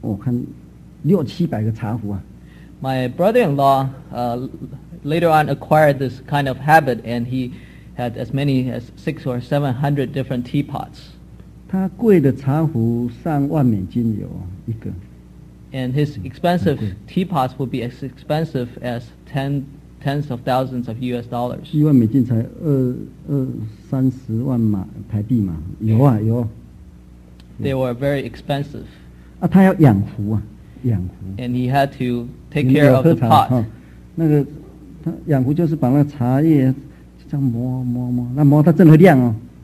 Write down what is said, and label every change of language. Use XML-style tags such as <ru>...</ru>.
<zh>那后来我自己的妹夫啊，他有我看六七百个茶壶啊。</zh> <en>My brother-in-law later on acquired this kind of habit, and he had as many as 600 or 700 different teapots.</en> <zh>他贵的茶壶上万美金有一个。</zh> <en>And his expensive teapots would be as expensive as tens of thousands of US dollars.</en> <zh>一万美金才二三十万台币嘛，有啊有。</zh> <en>They were very expensive.</en> <zh>啊，他要养壶啊，养壶。</zh> <en>And he had to take care of the pot.</en> <zh>那个他养壶就是把那茶叶这样磨磨磨，那磨它真的亮哦。</zh>